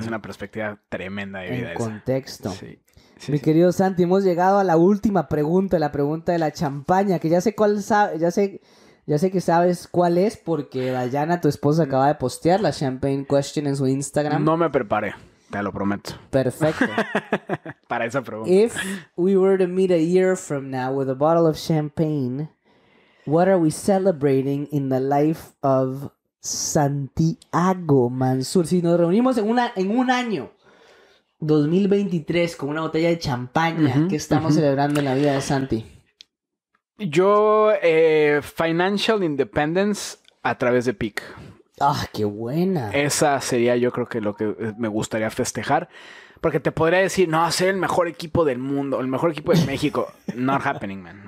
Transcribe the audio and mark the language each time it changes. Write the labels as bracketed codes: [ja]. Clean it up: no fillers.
[es] Es una perspectiva tremenda de vida. En Contexto. Sí. Sí, querido Santi, hemos llegado a la última pregunta, la pregunta de la champaña, que ya sé que sabes cuál es, porque Dayana, tu esposa, acaba de postear la [en] champagne question [es] en su Instagram. No me preparé, te lo prometo. Perfecto. Para esa pregunta. [en] If we were to meet a year from now with a bottle of champagne, what are we celebrating in the life of Santiago Mansur? [es] Si nos reunimos en un año, 2023, con una botella de champaña, ¿qué estamos celebrando en la vida de Santi? Yo, [en] financial independence [es] a través de PIC. ¡Ah, qué buena! Esa sería, yo creo, que lo que me gustaría festejar. Porque te podría decir, no, ser el mejor equipo del mundo, el mejor equipo de México. [en] Not happening, man.